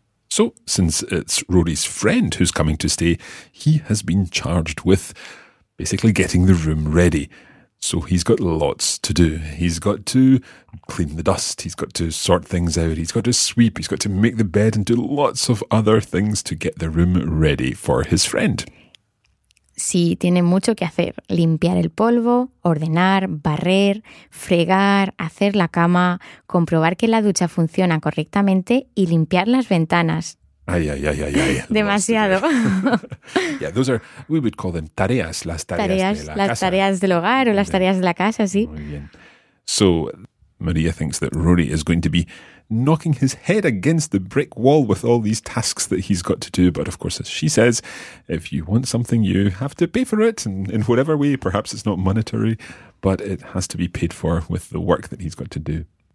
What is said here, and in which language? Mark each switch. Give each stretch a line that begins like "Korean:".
English: So, since it's Rory's friend who's coming to stay, he has been charged with basically getting the room ready. So he's got lots to do. He's got to clean the dust, he's got to sort things out, he's got to sweep, he's got to make the bed and do lots of other things to get the room ready for his friend.
Spanish: Sí, tiene mucho que hacer. Limpiar el polvo, ordenar, barrer, fregar, hacer la cama, comprobar que la ducha funciona correctamente y limpiar las ventanas. Ay, ay, ay, ay, ay. Demasiado.
English: Yeah, those are, we would call them tareas,
Spanish: las tareas, tareas de la las Las tareas del hogar o las tareas de la casa, sí. Muy bien.
English: So, Maria thinks that Rory is going to be knocking his head against the brick wall with all these tasks that he's got to do. But of course, as she says, if you want something, you have to pay for it and in whatever way. Perhaps it's not monetary, but it has to be paid for with the work that he's got to do.